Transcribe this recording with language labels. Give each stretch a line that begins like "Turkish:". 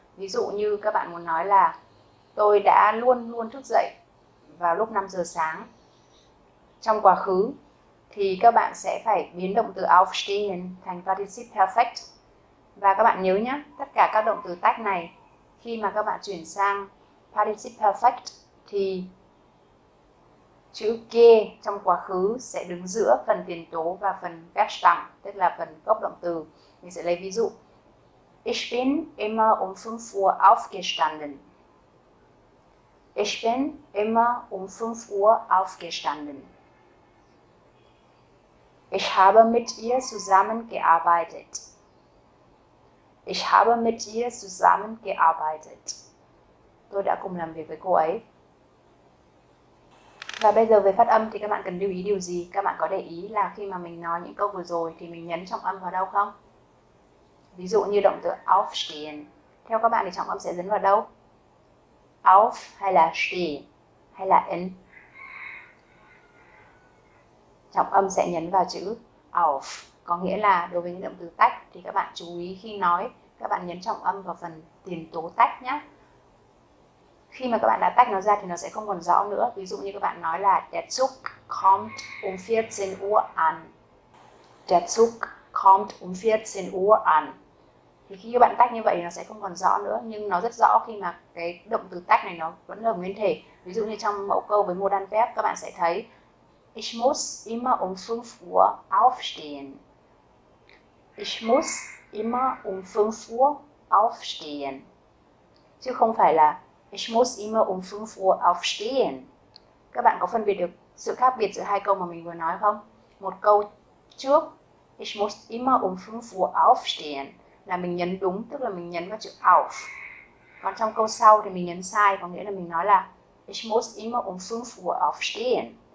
Vietnamese: Ví dụ như các bạn muốn nói là tôi đã luôn luôn thức dậy vào lúc 5 giờ sáng trong quá khứ, thì các bạn sẽ phải biến động từ aufstehen thành participe perfect. Và các bạn nhớ nhé, tất cả các động từ tách này khi mà các bạn chuyển sang participe perfect thì chữ ge trong quá khứ sẽ đứng giữa phần tiền tố và phần Verbstamm, tức là phần gốc động từ. Mình sẽ lấy ví dụ,
German: ich bin immer um 5 Uhr aufgestanden. Ich bin immer um 5 Uhr aufgestanden. Ich habe mit ihr zusammengearbeitet. Ich habe mit ihr zusammengearbeitet.
Vietnamese: Tôi đã cùng làm việc với cô ấy. Và bây giờ về phát âm thì các bạn cần lưu ý điều gì? Các bạn có để ý là khi mà mình nói những câu vừa rồi thì mình nhấn trọng âm vào đâu không? Ví dụ như động từ aufstehen, theo các bạn thì trọng âm sẽ nhấn vào đâu? Auf hay là stehen hay là in? Trọng âm sẽ nhấn vào chữ auf. Có nghĩa là đối với những động từ tách thì các bạn chú ý khi nói, các bạn nhấn trọng âm vào phần tiền tố tách nhé. Khi mà các bạn đã tách nó ra thì nó sẽ không còn rõ nữa. Ví dụ như các bạn nói là
German: Der Zug kommt um 14 Uhr an. Der Zug kommt um 14 Uhr an.
Vietnamese: Thì khi các bạn tách như vậy thì nó sẽ không còn rõ nữa. Nhưng nó rất rõ khi mà cái động từ tách này nó vẫn là nguyên thể. Ví dụ như trong mẫu câu với modern verb các bạn sẽ thấy
German: Ich muss immer um 5 Uhr aufstehen. Ich muss immer um 5 Uhr aufstehen.
Vietnamese: Chứ không phải là
German: Ich muss immer um 5 Uhr aufstehen.
Vietnamese: Các bạn có phân biệt được sự khác biệt giữa hai câu mà mình vừa nói không? Một câu trước,
German: Ich muss immer um 5 Uhr aufstehen,
Vietnamese: là mình nhấn đúng, tức là mình nhấn vào chữ auf. Còn trong câu sau thì mình nhấn sai, có nghĩa là mình nói là
German: Ich muss immer um 5 Uhr aufstehen.